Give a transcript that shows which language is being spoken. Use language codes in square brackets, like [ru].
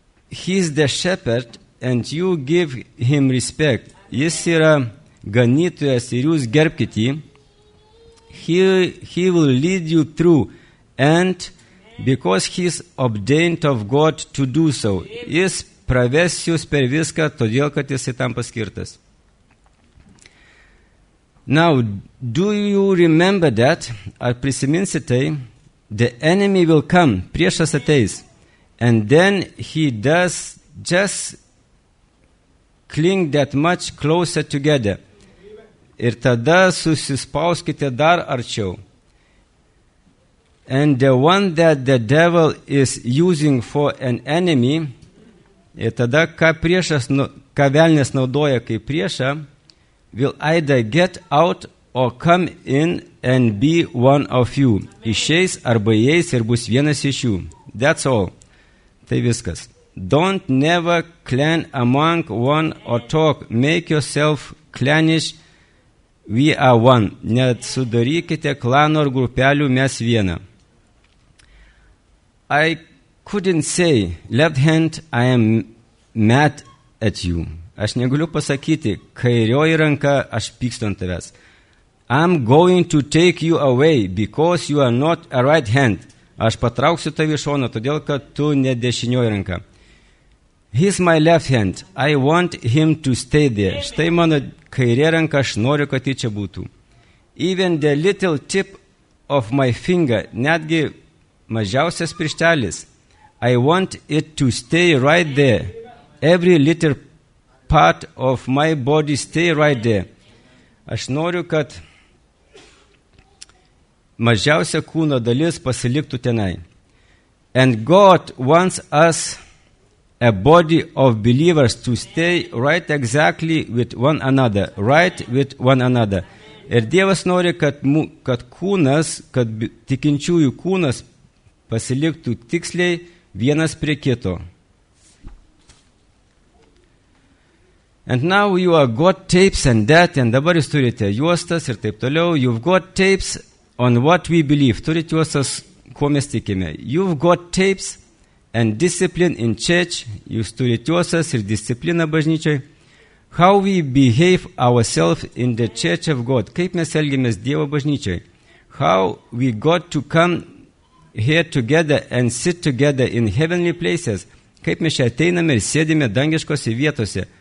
[en] He's the shepherd and you give him respect. [lt] Jis yra ganytojas ir jūs gerbkit jį. [en] He will lead you through and because he's ordained of God to do so. [lt] Jis praves jūs per viską, todėl kad jis tam paskirtas. [en] Now, do you remember that? [lt] Ar prisiminsi tai? [en] The enemy will come, [lt] priešas ateis. [en] And then he does just cling that much closer together. [lt] Ir tada susispauskite dar arčiau. [en] And the one that the devil is using for an enemy, [lt] ir tada ką priešas, ką velnės naudoja kaip priešą, [en] will either get out or come in and be one of you. [lt] Išeis arba įeis ir bus vienas iš jų. [en] That's all. [lt] Tai viskas. [en] Don't never clan among one or talk. Make yourself clannish. We are one. [lt] Net sudarykite klano ar grupelių, mes viena. [en] I couldn't say, left hand, I am mad at you. [lt] Aš negaliu pasakyti, kairioji ranka, aš pykstu ant tavęs. [en] I'm going to take you away because you are not a right hand. [lt] Aš patrauksiu tavį šoną, todėl kad tu ne dešinioji ranka. [en] He's my left hand. I want him to stay there. [lt] Štai mano kairė ranka, aš noriu, kad jį čia būtų. [en] Even the little tip of my finger, [lt] netgi mažiausias pirštelis, [en] I want it to stay right there. Every little part of my body stay right there. [lt] Aš noriu, kad mažiausia kūno dalis pasiliktų tenai. [en] And God wants us a body of believers to stay right exactly with one another, right with one another. [lt] Ir Dievas nori, kad kūnas, kad tikinčiųjų kūnas pasiliktų tiksliai vienas prie kito. [en] And now you are got tapes and that, and [lt] dabar jūs turite juostas ir taip toliau. [en] You've got tapes on what we believe. [lt] Turite juostas, kuo mes tikime. [en] You've got tapes and discipline in church. [lt] Jūs turite juostas ir disciplina bažnyčiai. [en] How we behave ourselves in the church of God. [lt] Kaip mes elgiamės Dievo bažnyčiai. [en] How we got to come here together and sit together in heavenly places. [lt] Kaip mes čia ateiname ir sėdime dangiškose vietose.